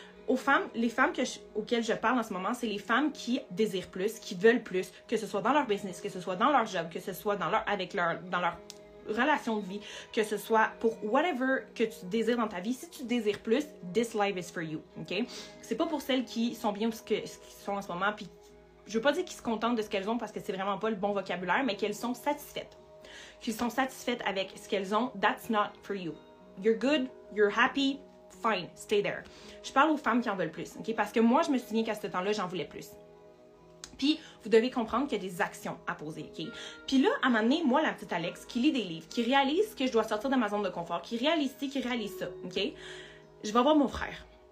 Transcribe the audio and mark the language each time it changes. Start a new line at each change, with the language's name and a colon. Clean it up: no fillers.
French: aux femmes, les femmes que auxquelles je parle en ce moment, c'est les femmes qui désirent plus, qui veulent plus, que ce soit dans leur business, que ce soit dans leur job, que ce soit dans leur, avec leur, dans leur relation de vie, que ce soit pour whatever que tu désires dans ta vie. Si tu désires plus,
English: this life is for you,
French: ok? C'est pas pour celles qui sont bien ou ce qu'elles sont en ce moment, puis je veux pas dire qu'ils se contentent de ce qu'elles ont parce que c'est vraiment pas le bon vocabulaire, mais qu'elles sont satisfaites. Qu'elles sont satisfaites avec ce qu'elles ont,
English: that's not for you. You're good, you're happy, fine, stay there.
French: Je parle aux femmes qui en veulent plus, ok? Parce que moi, je me souviens qu'à ce temps-là, j'en voulais plus. Puis, vous devez comprendre qu'il y a des actions à poser, OK? Puis là, à un moment donné, moi, la petite Alex, qui lit des livres, qui réalise que je dois sortir de ma zone de confort, qui réalise ci, qui réalise ça, OK? Je vais voir mon frère.